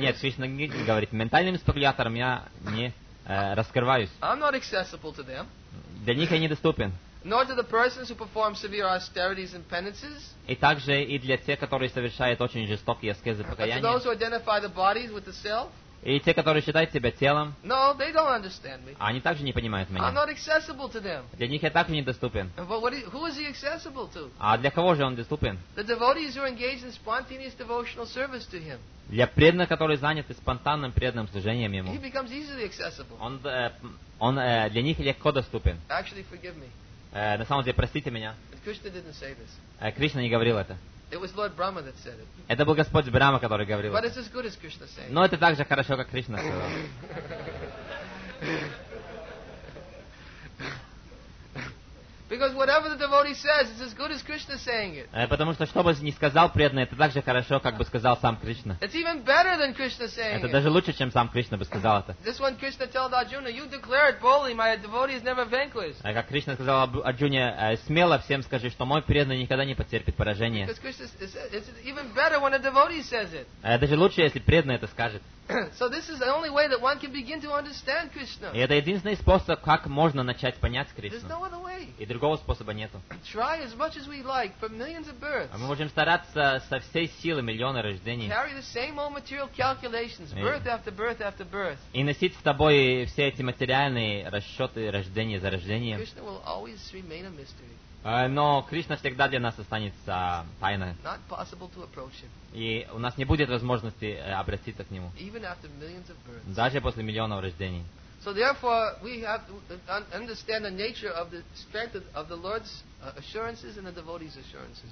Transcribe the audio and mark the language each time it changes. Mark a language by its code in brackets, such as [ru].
[ru] Нет, Кришна говорит, ментальным спекуляторам я не раскрываюсь. [en] I'm not accessible to them. [ru] Для них я недоступен. [en] Nor to the persons who perform severe austerities and penances. [ru] И также и для тех, которые совершают очень жестокие аскезы покаяния. [en] But to those who identify the bodies with the self. [ru] И те, которые считают себя телом, [en] no, they don't understand me. [ru] Они также не понимают меня. [en] I'm not accessible to them. [ru] Для них я также недоступен. [en] But what is, who is he accessible to? [ru] А для кого же он доступен? [en] The devotees who are engaged in spontaneous devotional service to him. [ru] Для преданных, которые заняты спонтанным преданным служением ему. [en] He becomes easily accessible. [ru] Для них легко доступен. [en] Actually, forgive me. [ru] На самом деле, простите меня. [en] Krishna didn't say this. [ru] Кришна не говорил это. [en] It was Lord Brahma that said it. [ru] Это был Господь Брама, который говорил. [en] But it's as good as Krishna said. [ru] Но это так же хорошо, как Кришна сказал. [en] Because whatever the devotee says, it's as good as Krishna saying it. [ru] Потому что что бы ни сказал преданный, это так же хорошо, как бы сказал сам Кришна. [en] It's even better than Krishna saying it. [ru] Это даже лучше, чем сам Кришна бы сказал это. [en] This one Krishna told Arjuna, you declare it boldly, my devotee is never vanquished. [ru] Как Кришна сказал Арджуне, смело всем скажи, что мой преданный никогда не потерпит поражения. [en] Because Krishna says it's even better when a devotee says it. [ru] Даже лучше, если преданный это скажет. [en] So this is the only way that one can begin to understand Krishna. [ru] И это единственный способ, как можно начать понять Кришну. [en] There's no other way. [ru] И другого способа нету. [en] Try as much as we like for millions of births. [ru] А мы можем стараться со всей силы миллионы рождений. [en] Carry the same old material calculations, birth after birth after birth. [ru] И носить с тобой все эти материальные расчеты рождения за рождением. [en] Krishna will always remain a mystery. [ru] Но Кришна всегда для нас останется тайной. [en] Not possible to approach him. [ru] И у нас не будет возможности обратиться к нему. [en] Even after millions of births. [ru] Даже после миллионов рождений. [en] So therefore, we have to understand the nature of the strength of the Lord's assurances and the devotee's assurances.